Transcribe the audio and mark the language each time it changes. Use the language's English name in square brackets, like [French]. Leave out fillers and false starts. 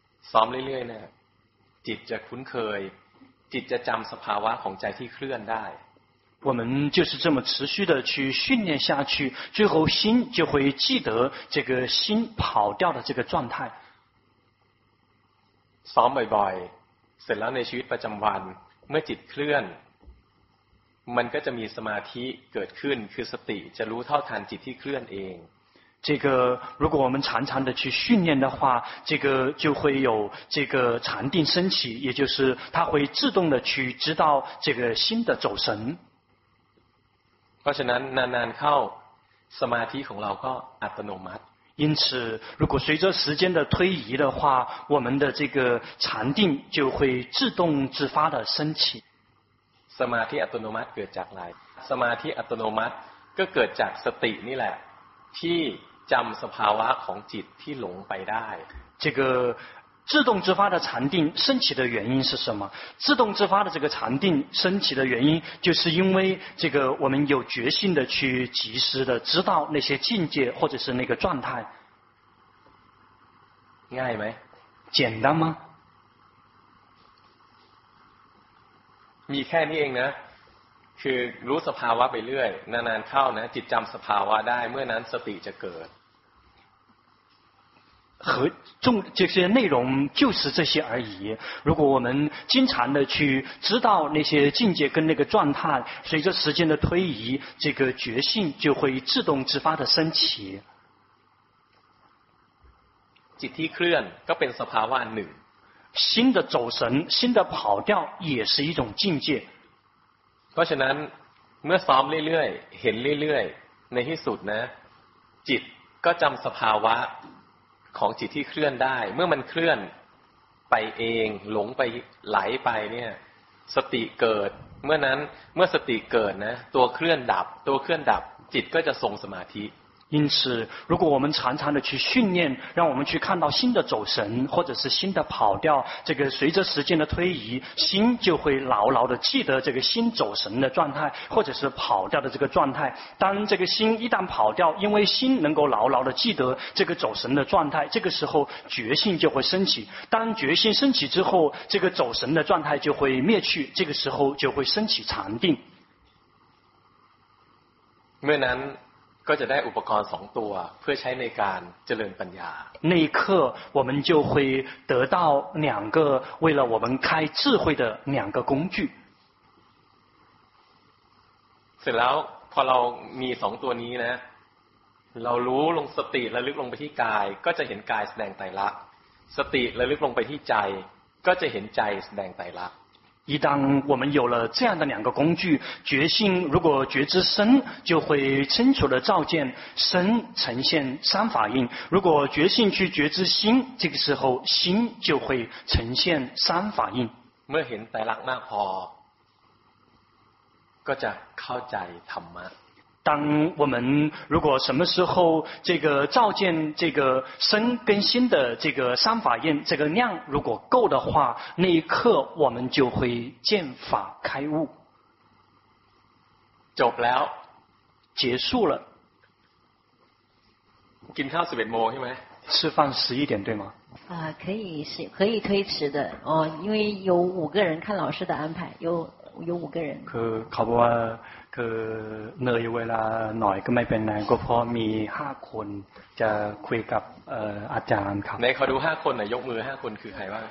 [Thai] ซ้อมเรื่อยๆเนี่ยจิตจะคุ้นเคยจิตจะจำสภาวะของใจที่เคลื่อนได้ [Chinese] 我们就是这么持续的去训练下去最后心就会记得这个心跑掉的这个状态 [Thai] ซ้อมบ่อยๆเสร็จแล้วในชีวิตประจำวันเมื่อจิตเคลื่อนมันก็จะมีสมาธิเกิดขึ้นคือสติจะรู้เท่าทันจิตที่เคลื่อนเอง [Chinese] 这个如果我们常常的去训练的话这个就会有这个禅定升起也就是它会自动的去知道这个心的走神 [Thai] เพราะฉะนั้นนานๆเข้าสมาธิของเราก็อัตโนมัติ [Chinese] 因此如果随着时间的推移的话我们的这个禅定就会自动自发的升起 [Thai] สมาธิอัตโนมัติเกิดจากอะไรสมาธิอัตโนมัติก็เกิดจากสตินี่แหละที่จำสภาวะของจิตที่หลงไปได้ [Chinese] 这个自动自发的禅定升起的原因是什么自动自发的这个禅定升起的原因就是因为这个我们有决心的去及时的知道那些境界或者是那个状态 [Thai] ง่ายไหม [Chinese] 简单吗 [Thai] มีแค่นี้เองนะคือรู้สภาวะไปเรื่อยนานๆเข้านะจิตจำสภาวะได้เมื่อนั้นสติจะเกิด [Chinese] 和重这些内容就是这些而已。如果我们经常的去知道那些境界跟那个状态，随着时间的推移，这个觉性就会自动自发的升起。 [Thai] จิตที่เคลื่อนก็เป็นสภาวะหนึ่ง [Chinese] 心的走神，心的跑掉也是一种境界。 [Thai] เพราะฉะนั้นเมื่อซ้อมเรื่อยๆเห็นเรื่อยๆในที่สุดนะจิตก็จำสภาวะของจิตที่เคลื่อนได้เมื่อมันเคลื่อนไปเองหลงไปไหลไปเนี่ยสติเกิดเมื่อนั้นเมื่อสติเกิดนะตัวเคลื่อนดับตัวเคลื่อนดับจิตก็จะทรงสมาธิ [Chinese] 因此如果我们常常的去训练让我们去看到心的走神或者是心的跑掉这个随着时间的推移心就会牢牢的记得这个心走神的状态或者是跑掉的这个状态当这个心一旦跑掉因为心能够牢牢的记得这个走神的状态这个时候觉性就会升起当觉性升起之后这个走神的状态就会灭去这个时候就会升起禅定 [Thai] 没难ก็จะได้อุปกรณ์สองตัวเพื่อใช้ในการเจริญปัญญา [Chinese] 那一刻我们就会得到两个为了我们开智慧的两个工具 [Thai] เสร็จแล้วพอเรามีสองตัวนี้นะเรารู้ลงสติระลึกลงไปที่กายก็จะเห็นกายแสดงไตรลักษณ์สติระลึกลงไปที่ใจก็จะเห็นใจแสดงไตรลักษณ์ [Chinese] 一旦我们有了这样的两个工具觉性如果觉知身就会清楚的照见身呈现三法印如果觉性去觉知心这个时候心就会呈现三法印 [Thai] เมื่อเห็นไตรลักษณ์มากพอก็จะเข้าใจธรรมะ [Chinese] 当我们如果什么时候这个照见这个身跟心的这个三法印这个量如果够的话那一刻我们就会见法开悟 [Thai] จบแล้ว [Chinese] 结束了 [Thai] กินข้าว11โมงใช่ไหม [Chinese] 吃饭11点对吗可以是可以推迟的哦因为有五个人看老师的安排有五个人 [Thai] คือเขาบอกว่าคือเหนื่อยเวลาหน่อยก็ไม่เป็นไรก็เพราะมี5คนจะคุยกับอาจารย์ครับ ในขอดู5คนน่ะยกมือ5คนคือใครบ้าง